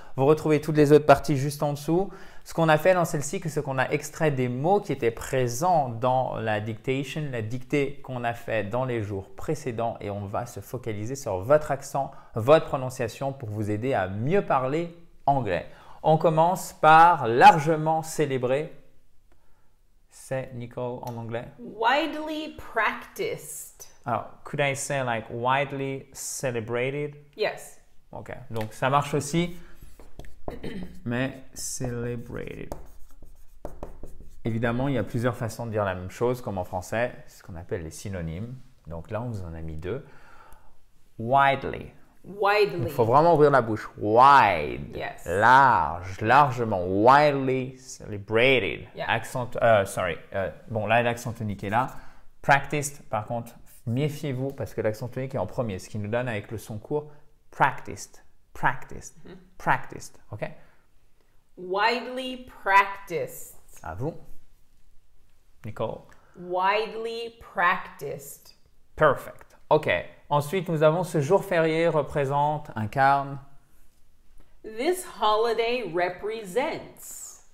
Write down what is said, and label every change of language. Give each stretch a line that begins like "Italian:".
French: Vous retrouvez toutes les autres parties juste en dessous. Ce qu'on a fait dans celle-ci, c'est qu'on a extrait des mots qui étaient présents dans la dictation, la dictée qu'on a fait dans les jours précédents, et on va se focaliser sur votre accent, votre prononciation pour vous aider à mieux parler anglais. On commence par largement célébré. C'est Nicole en anglais.
English: Widely practiced. Alors, could I say like widely celebrated? Yes.
French: Ok, donc ça marche aussi, mais celebrated. Évidemment, il y a plusieurs façons de dire la même chose, comme en français, ce qu'on appelle les synonymes. Donc là, on vous en a mis deux. Widely. Il faut
English: Widely.
French: vraiment ouvrir la bouche.
English: Wide, Yes. large, largement. Widely celebrated. Yeah. Accent, sorry.
French: Bon, là, l'accent tonique est là. Practiced, par contre, méfiez-vous parce que l'accent tonique est en premier, ce qui nous donne avec le son court practiced, practiced, practiced. OK?
English: Widely practiced.
French: À vous, Nicole.
English: Widely practiced. Perfect. OK.
French: Ensuite, nous avons ce jour férié représente, incarne.
English: This holiday represents.